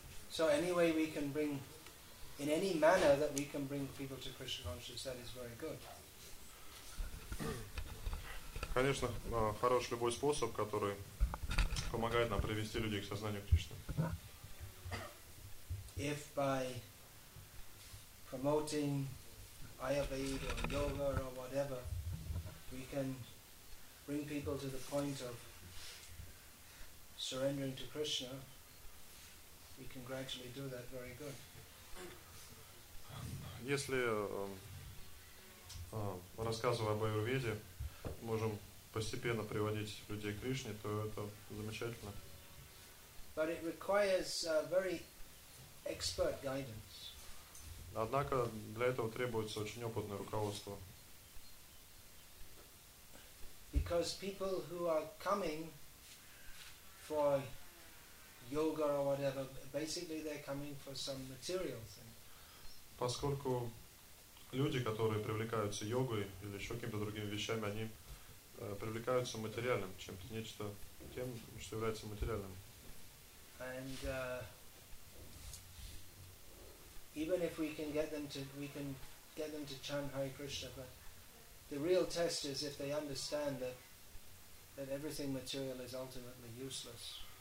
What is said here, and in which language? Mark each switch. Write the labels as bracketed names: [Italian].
[English] So any way we can bring, in any manner that we can bring people to Krishna consciousness, that is very good. [Russian] Конечно, хорош любой способ, который помогает нам привести людей к сознанию Кришны. [English] If by promoting Ayurveda or yoga or whatever, we can bring people to the point of surrendering to Krishna, we can gradually do that very good. [Russian] Если рассказывая об Аюрведе, можем постепенно приводить людей к Кришне, то это замечательно. [English] But it requires very expert guidance. [Russian] Однако для этого требуется очень опытное руководство. [English] Because people who are coming for yoga or whatever, basically they're coming for some material thing. [Russian] Поскольку люди, которые привлекаются йогой или еще какими-то другими вещами, они привлекаются материальным, чем-то нечто тем, что является материальным. [English] And even if we can get them to chant Hare Krishna, but the real test is if they understand that everything material is ultimately useless.